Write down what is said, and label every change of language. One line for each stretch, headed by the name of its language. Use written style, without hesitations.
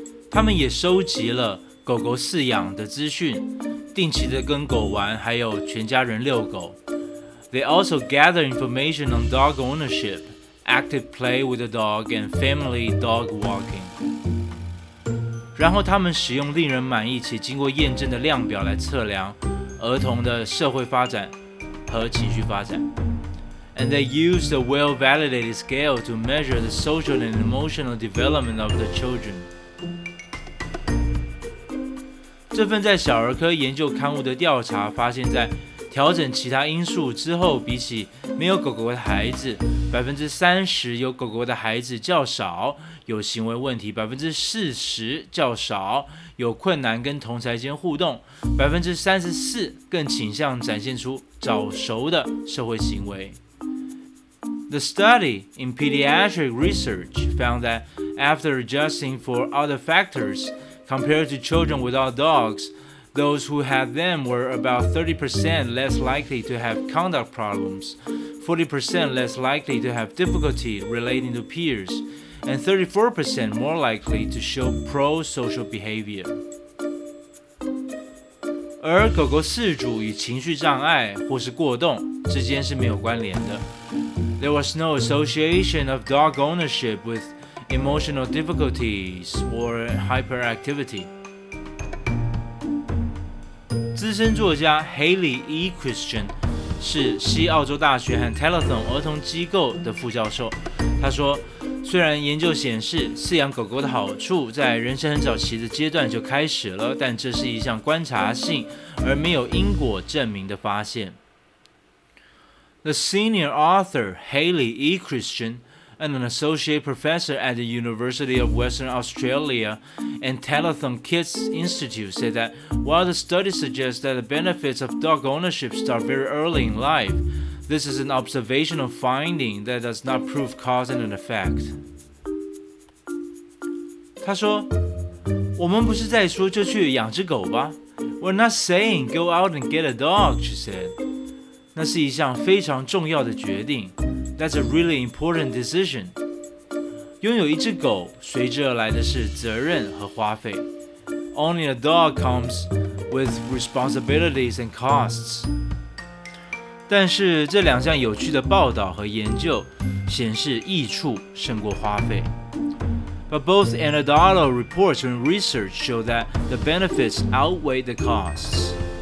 Chinese: 他们也收集了狗狗饲养的资讯，定期的跟狗玩，还有全家人遛狗。
English: They also gather information on dog ownership, active play with the dog, and family dog walking.
Chinese: 然后他们使用令人满意且经过验证的量表来测量儿童的社会发展和情绪发展。
English: And they used a well-validated scale to measure the social and emotional development of the children.
Chinese: 这份在小儿科研究刊物的调查发现，在调整其他因素之后，比起没有狗狗的孩子，30%有狗狗的孩子较少有行为问题，40%较少有困难跟同侪间互动，34%更倾向展现出早熟的社会行为。
English: The study in pediatric research found that after adjusting for other factors compared to children without dogs, those who had them were about 30% less likely to have conduct problems, 40% less likely to have difficulty relating to peers, and 34% more likely to show pro-social behavior.
Chinese: 而狗狗饲主与情绪障碍或是过动之间是没有关联的。
English: There was no association of dog ownership with emotional difficulties or hyperactivity.
Chinese: 资深作家 Haley E. Christian 是西澳洲大学和 Telethon 儿童机构的副教授。他说，虽然研究显示饲养狗狗的好处在人生很早期的阶段就开始了，但这是一项观察性而没有因果证明的发现。
English: The senior author Haley E. Christian and an associate professor at the University of Western Australia and Telethon Kids Institute said that while the study suggests that the benefits of dog ownership start very early in life,This is an observational finding that does not prove cause and effect.
Chinese: 他说，我们不是在说就去养只狗吧。
English: We're not saying go out and get a dog, she said.
Chinese: 那是一项非常重要的决定。
English: That's a really important decision.
Chinese: 拥有一只狗，随之而来的是责任和花费。
English: Owning a dog comes with responsibilities and costs.
Chinese: 但是这两项有趣的报道和研究显示益处胜过花费。
English: But both anecdotal reports and research show that the benefits outweigh the costs.